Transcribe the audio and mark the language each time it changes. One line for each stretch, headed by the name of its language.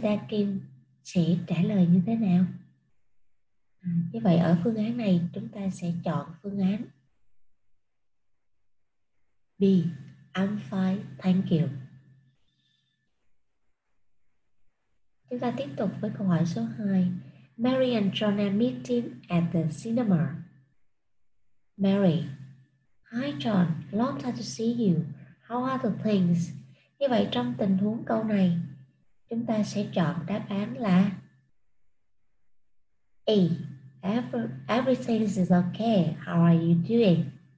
Vietnamese: Deakin sẽ trả lời như thế nào? Như vậy ở phương án này chúng ta sẽ chọn phương án B.
English: I'm fine, thank you.
Vietnamese: Chúng ta tiếp tục với câu hỏi số 2.
English: Mary and John are meeting at the cinema. Mary. Hi John, long time to see you. How are the things?
Vietnamese: Như vậy trong tình huống câu này, chúng ta sẽ chọn đáp án là A.
English: Everything is okay. How are you doing?